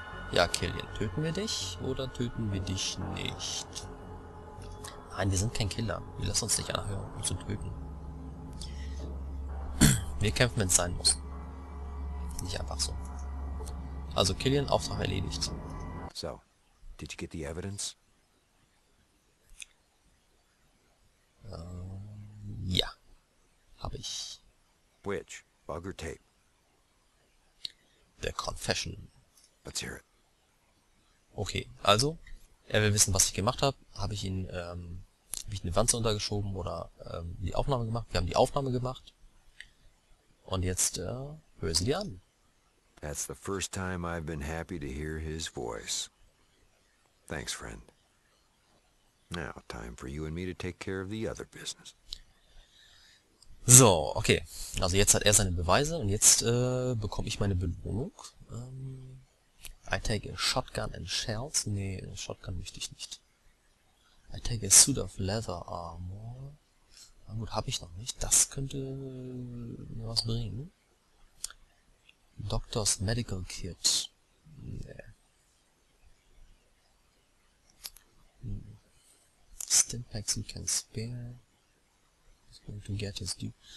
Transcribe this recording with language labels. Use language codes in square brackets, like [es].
[de] Ja, Killian, töten wir dich oder töten wir dich nicht? Nein, wir sind kein Killer. Wir lassen uns nicht anhören, um zu töten. Wir kämpfen, wenn es sein muss. Nicht einfach so. Also Killian, Auftrag erledigt. [en] So, did you get the evidence? [de] Ja, habe ich. [en] Which? Bug or tape? The confession. Let's hear it. [de] Okay, also er will wissen, was ich gemacht habe. Habe ich ihn, habe ich eine Wanze untergeschoben oder die Aufnahme gemacht? Wir haben die Aufnahme gemacht. Und jetzt hören Sie die an. [en] That's the first time I've been happy to hear his voice. Thanks, friend. Now, time for you and me to take care of the other business. [de] So, okay. Also jetzt hat er seine Beweise und jetzt bekomme ich meine Belohnung. [en] I take a shotgun and shells. [de] Nee, Shotgun möchte ich nicht. [en] I take a suit of leather armor. [de] Na gut, habe ich noch nicht. Das könnte mir was bringen. [en] Doctor's Medical Kit. Nee. Stimpaks you can spare. He's going to get his due.